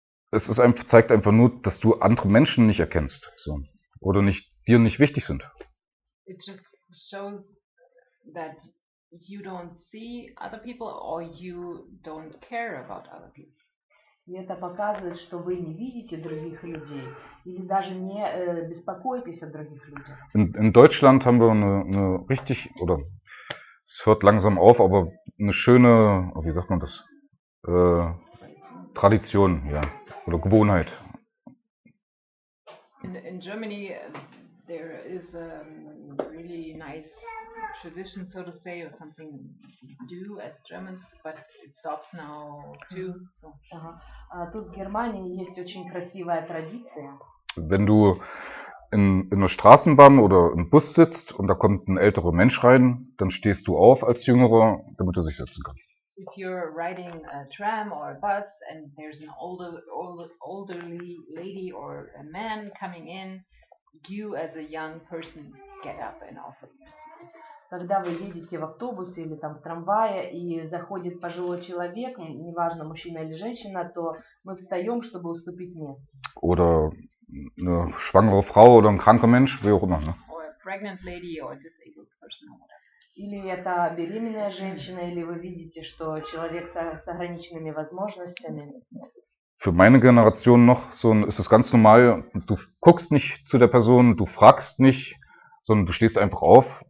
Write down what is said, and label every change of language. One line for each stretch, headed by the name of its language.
German: Es ist einfach, zeigt einfach nur, dass du andere Menschen nicht erkennst, so. Oder nicht, dir nicht wichtig sind.
English: It just shows that you don't see other people or you don't care about other people.
Russian: И это показывает, что вы не видите других людей или даже не беспокоитесь о других людях.
German: In Deutschland haben wir eine richtig, oder es hört langsam auf, aber eine schöne, wie sagt man das, Tradition, ja, oder Gewohnheit.
English: In Germany there is a really nice tradition, so to say, or something do as Germans, but it stops now too. So.
Russian: Тут в Германии есть очень красивая традиция.
German: Wenn du in einer Straßenbahn oder im Bus sitzt und da kommt ein älterer Mensch rein, dann stehst du auf als Jüngerer, damit er sich setzen kann.
English: If you're riding a tram or a bus and there's an older lady or a man coming in, you as a young person get up and offer your seat.
Russian: Когда вы едете в автобусе или там в трамвае и заходит пожилой человек, неважно мужчина или женщина, то мы встаем, чтобы уступить место.
German: Oder eine schwangere Frau oder ein kranker Mensch, wie auch immer. Ne?
English: Or a pregnant lady or a disabled person or whatever.
Russian: Или это беременная женщина, или вы видите, что человек с ограниченными возможностями.
German: Für meine Generation noch so ist es ganz normal. Du guckst nicht zu der Person, du fragst nicht, sondern du stehst einfach auf.